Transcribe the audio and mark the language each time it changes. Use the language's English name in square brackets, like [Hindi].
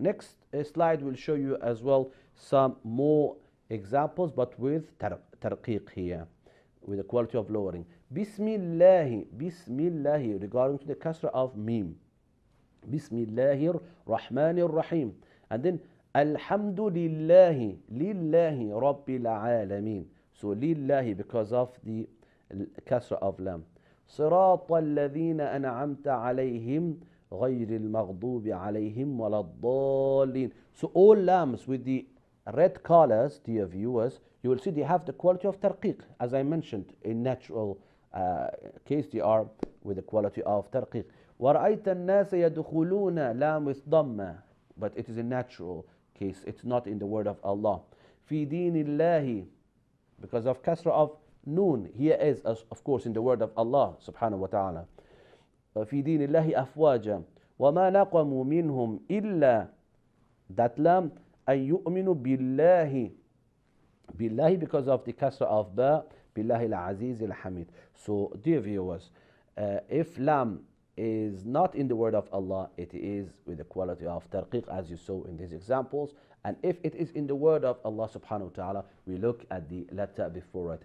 [English] Next slide will show you as well some more examples, but with ترقيق here, with the quality of lowering. [Arabic] بسم الله, بسم الله, [English] regarding to the [Arabic] كسر of ميم. بسم الله الرحمن الرحيم. [English] And then [Arabic] الحمد لله لله رب العالمين. [English] So [Arabic] لله [English] because of the كسر of لام. [Arabic] صراط الذين أنعمت عليهم غير المغضوب عليهم ولا الضالين. [English] So all lambs with the red colors, dear viewers, you will see they have the quality of ترقيق. As I mentioned, in natural case, they are with the quality of ترقيق. [Arabic] ورأيت الناس يدخلون لام [English] with [Arabic] ضمة. [English] But it is a natural case. It's not in the word of Allah. [Arabic] في دين الله. [English] Because of كسر of نون. Here is, of course, in the word of Allah, subhanahu wa ta'ala. [Arabic] في دين الله أفواجا. وما نقموا منهم إلا [English] that [Arabic] لام أن يؤمنوا بالله. بالله [English] because of the كسر of باء. [Arabic] بالله العزيز الحميد. [English] So, dear viewers, if لام is not in the word of Allah, it is with the quality of tarqiq, as you saw in these examples. And if it is in the word of Allah subhanahu wa ta'ala, we look at the letter before it.